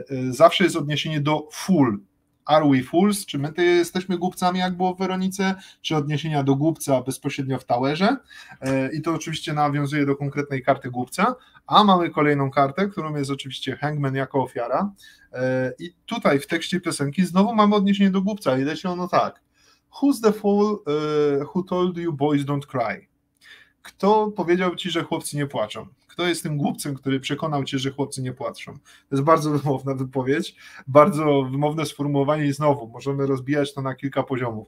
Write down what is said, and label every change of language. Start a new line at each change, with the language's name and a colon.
Polish: Zawsze jest odniesienie do fool.
English: Are we fools?
Polish: Czy my jesteśmy głupcami, jak było w Weronice? Czy odniesienia do głupca bezpośrednio w Towerze? I to oczywiście nawiązuje do konkretnej karty głupca. A mamy kolejną kartę, którą jest oczywiście Hangman jako ofiara. I tutaj w tekście piosenki znowu mamy odniesienie do głupca. I leci ono tak.
English: Who's the fool who told you boys don't cry?
Polish: Kto powiedział ci, że chłopcy nie płaczą? Kto jest tym głupcem, który przekonał cię, że chłopcy nie płaczą? To jest bardzo wymowna wypowiedź, bardzo wymowne sformułowanie i znowu możemy rozbijać to na kilka poziomów.